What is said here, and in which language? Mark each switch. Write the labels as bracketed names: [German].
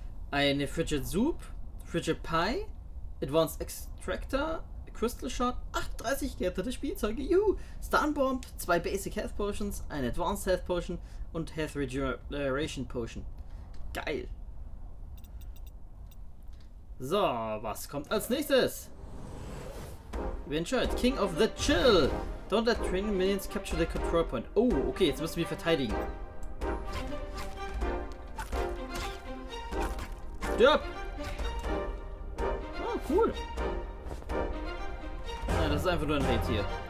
[German] Eine Frigid Soup. Frigid Pie. Advanced Extractor. Crystal Shot, 38 gerettete Spielzeuge, juhu! Stun Bomb, 2 Basic Health Potions, eine Advanced Health Potion und Health Regeneration Potion. Geil! So, was kommt als nächstes? [English] Venture, King of the Chill! Don't let training minions capture the control point. [German] Oh, okay, jetzt müssen wir verteidigen. Stirb! Oh, cool! Das ist einfach nur ein Rentier.